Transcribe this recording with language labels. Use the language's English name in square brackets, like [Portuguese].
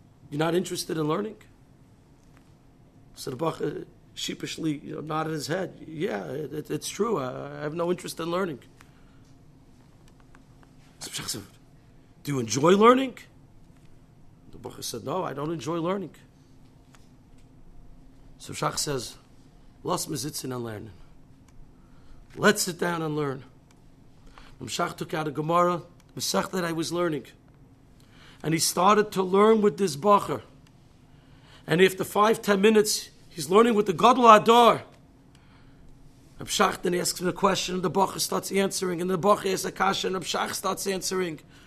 [English] You're not interested in learning?" So the bracha sheepishly, you know, nodded his head. "Yeah, it's true. I have no interest in learning." "Do you enjoy learning?" The bracha said, "No, I don't enjoy learning." [Yiddish] So Shach says, "Lass mir sitzen und lernen. [English] Let's sit down and learn." And Shach took out a Gemara, the Masech that I was learning. And he started to learn with this bracha. And after 5-10 minutes, he's learning with the Gadol Hador. Abshach then asks him the question, and the Bacha starts answering, and the Bacha asks Akasha, and Abshach starts answering.